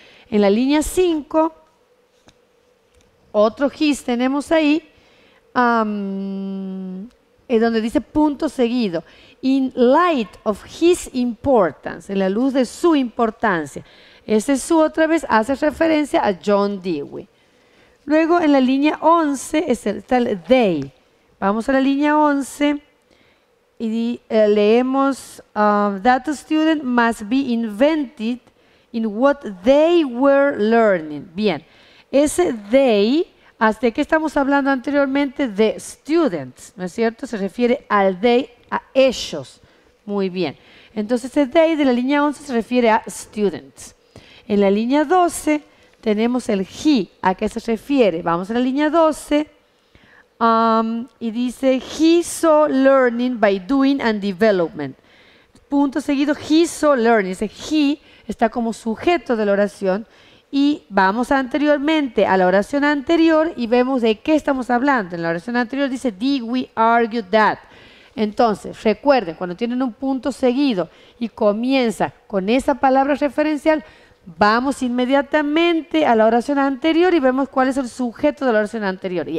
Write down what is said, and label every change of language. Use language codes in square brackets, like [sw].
[es] En la línea 5, otro his tenemos ahí, en donde dice punto seguido. [en] In light of his importance, [es] en la luz de su importancia. Ese su otra vez hace referencia a John Dewey. Luego en la línea 11 está el they. Vamos a la línea 11 y leemos, [en] that student must be invented in what they were learning. [es] Bien, ese they. ¿De qué estamos hablando anteriormente? De students, ¿no es cierto? Se refiere al they, a ellos. Muy bien. Entonces, el they de la línea 11 se refiere a students. En la línea 12 tenemos el he. ¿A qué se refiere? Vamos a la línea 12. Y dice, [en] he saw learning by doing and development. [es] Punto seguido, [en] he saw learning. [es] Ese he está como sujeto de la oración. Y vamos anteriormente a la oración anterior y vemos de qué estamos hablando. En la oración anterior dice, [en] Dewey argued that. [es] Entonces, recuerden, cuando tienen un punto seguido y comienza con esa palabra referencial, vamos inmediatamente a la oración anterior y vemos cuál es el sujeto de la oración anterior.